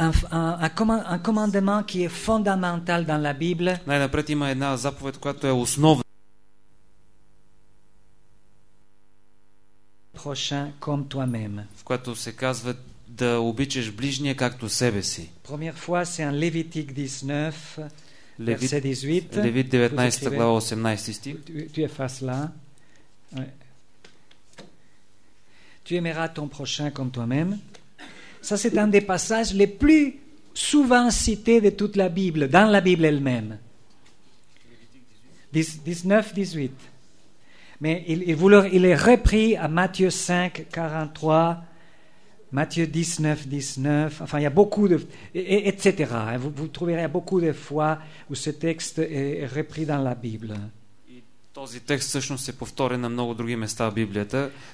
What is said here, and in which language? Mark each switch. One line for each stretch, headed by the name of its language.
French: un commandement qui est fondamental dans la Bible.
Bulgarian: Най-напред има една заповед, която е основна.
French: Prochain comme toi-même.
Bulgarian: В която се казва да обичаш ближния както себе си.
French: Première fois c'est en Lévitique 19 verset 18.
Bulgarian: Левит 19 глава 18 стих.
French: Tu es face là. Tu aimeras ton prochain comme toi-même. Ça c'est un des passages les plus souvent cités de toute la Bible, dans la Bible elle-même. 19-18. Mais il est repris à Matthieu 5-43, Matthieu 19-19. Enfin, il y a beaucoup de etc. Vous trouverez beaucoup de fois où ce texte est repris dans la Bible.
Bulgarian: Този текст всъщност се повтори на много други места в Библията.